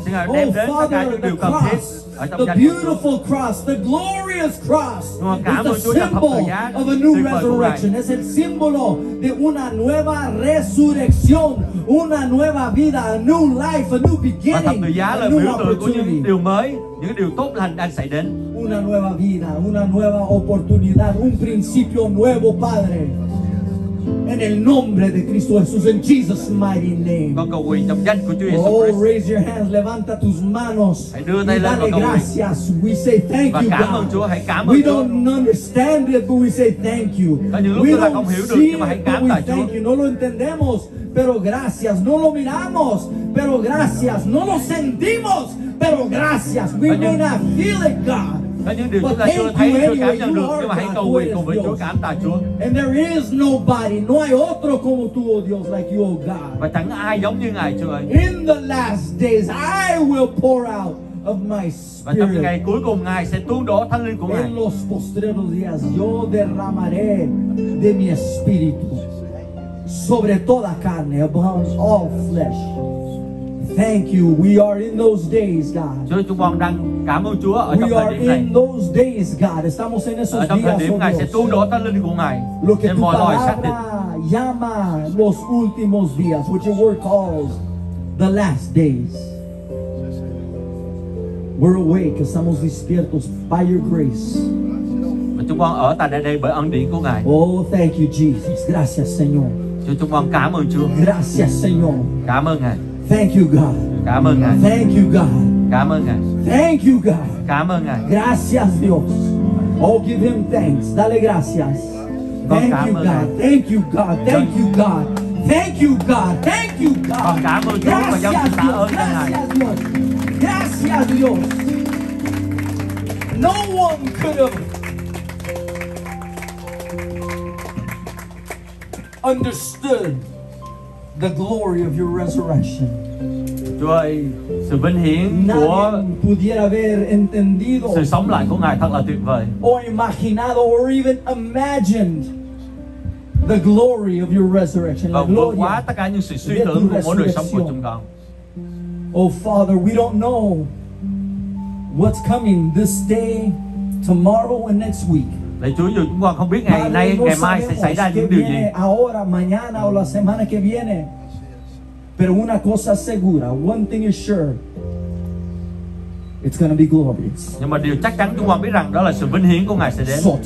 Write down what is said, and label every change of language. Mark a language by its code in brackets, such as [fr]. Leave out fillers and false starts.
[en] Oh Father, the cross, the beautiful cross, the glorious cross, is the symbol of a new resurrection. [es] Es el símbolo de una nueva resurrección, una nueva vida, [en] a new life, a new beginning, a new opportunity. [vi] Những điều tốt lành đang xảy đến. [es] Una nueva vida, una nueva oportunidad, un principio nuevo, Padre. En el nombre de Cristo Jesús, [en] in Jesus' mighty name. [vi] Con cầu nguyện trong danh của Chúa Jesus [en] Christ. Oh, raise your hands, [es] levanta tus manos. [vi] Hãy đưa tay lên và cầu nguyện. [es] Gracias. [en] We say thank [vi] và [en] you, [vi] cảm [en] God. [vi] Ơn Chúa, hãy cảm ơn [en] we [vi] Chúa. [en] We don't understand it, but we say thank you. [vi] Có những lúc chúng ta không hiểu được, nhưng mà hãy cảm tạ Chúa. [en] You. [es] No lo entendemos, pero gracias. No lo miramos, pero gracias. No lo sentimos, pero gracias. [en] We may not feel it, God. [vi] Có những điều chúng ta chưa thấy, chưa cảm nhận được, nhưng mà hãy cầu nguyện cùng với Chúa, cảm tạ Chúa. [en] And there is nobody, [es] no hay otro como tú, oh Dios, [en] like you, oh God. [vi] Và chẳng ai giống như Ngài, Chúa ơi. [en] In the last days, I will pour out of my spirit. [vi] Và trong ngày cuối cùng Ngài sẽ tuôn đổ Thánh Linh của Ngài. [es] En los postreros días, yo derramaré de mi espíritu sobre toda carne, [en] upon all flesh. Thank you. We are in those days, God. [vi] Chúa, chúng con đang cảm ơn Chúa ở trong thời điểm này. [en] We are in those days, God. [es] Estamos en esos días. [vi] Ở trong thời điểm Ngài sẽ tuôn đổ Thánh Linh của Ngài. [en] Look at your [es] palabra, llama los últimos días, [en] which your word calls the last days. We're awake, [es] estamos despiertos [en] by your grace. [vi] Mà chúng con ở tại đây bởi ân điển của Ngài. [en] Oh, thank you, Jesus. [es] Gracias, Señor. [vi] Chúng con cảm ơn Chúa. [es] Gracias, Señor. [vi] Cảm ơn Ngài. [en] Thank you, God. [vi] Cảm ơn Ngài. [en] Thank you, God. [vi] Cảm ơn Ngài. [en] Thank you, God. [vi] Cảm ơn Ngài. [es] Gracias, Dios. [en] Oh, give him thanks. [es] Dale gracias. [en] Thank you, God. Thank you, God. Thank you, God. Thank you, God. Thank you, God. [vi] Cảm ơn Chúa và dâng tạ ơn cho Ngài. [es] Gracias, Dios. [en] No one could have understood the glory of your resurrection. [vi] Chúa ơi, sự vinh hiển của [es] pudiera haber entendido [vi] sự sống lại của Ngài thật là tuyệt vời. [en] Or [es] imaginado [en] or even imagined the glory of your resurrection. [vi] Và vượt quá tất cả những sự suy tưởng của mỗi đời sống của chúng con. [en] Oh Father, we don't know what's coming this day, tomorrow, and next week. [vi] Lạy Chúa, dù chúng con không biết ngày nay, ngày mai sẽ xảy ra những điều gì. [es] Ahora, mañana o la semana que viene. Pero una cosa segura, [en] one thing is sure, it's going to be glorious. [vi] Nhưng mà điều chắc chắn chúng con biết rằng đó là sự vinh hiển của Ngài sẽ đến.